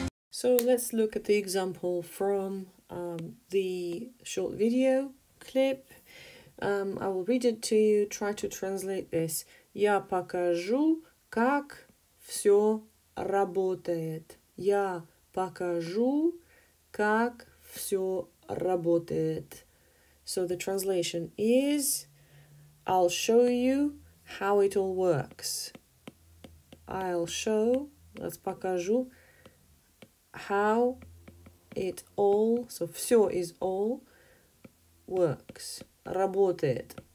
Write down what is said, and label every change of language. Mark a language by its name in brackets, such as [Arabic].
[English] So let's look at the example from the short video clip. I will read it to you, try to translate this. [Russian] Я покажу... Как всё работает? Я покажу, как всё работает. [English] So the translation is, I'll show you how it all works. I'll show, let's [Russian] покажу, [English] how it all, so [Russian] всё [English] is all, works, [Russian] работает.